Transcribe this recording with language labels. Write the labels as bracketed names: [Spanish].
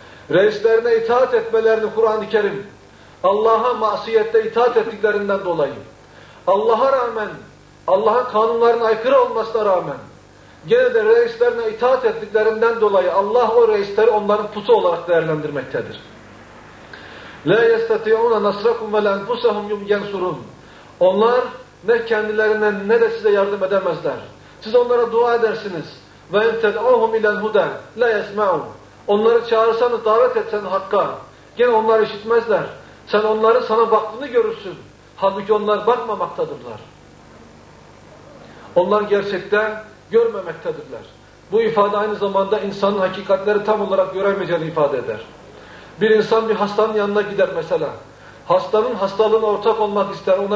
[Turkish] Reislerine itaat etmelerini Kur'an-ı Kerim Allah'a masiyette itaat ettiklerinden dolayı Allah'a rağmen Allah'ın kanunlarına aykırı olmasına rağmen gene de reislerine itaat ettiklerinden dolayı Allah o reisleri onların putu olarak değerlendirmektedir. [Arabic] لَا يَسْتَطِعُونَ نَصْرَكُمْ وَلَا أَنْفُسَهُمْ يُنْصُرُونَ [Turkish] Onlar ne kendilerine ne de size yardım edemezler. Siz onlara dua edersiniz. [Arabic] وَاِنْ تَدْعُوهُمْ اِلَى الْهُدَى لَا يَسْمَعُونَ [Turkish] Onları çağırsanız, davet etsen Hakk'a. Gene onlar işitmezler. Sen onların sana baktığını görürsün. Halbuki onlar bakmamaktadırlar. Onlar gerçekten görmemektedirler. Bu ifade aynı zamanda insanın hakikatleri tam olarak göremeyeceğini ifade eder. Bir insan bir hastanın yanına gider mesela. Hastanın hastalığına ortak olmak ister.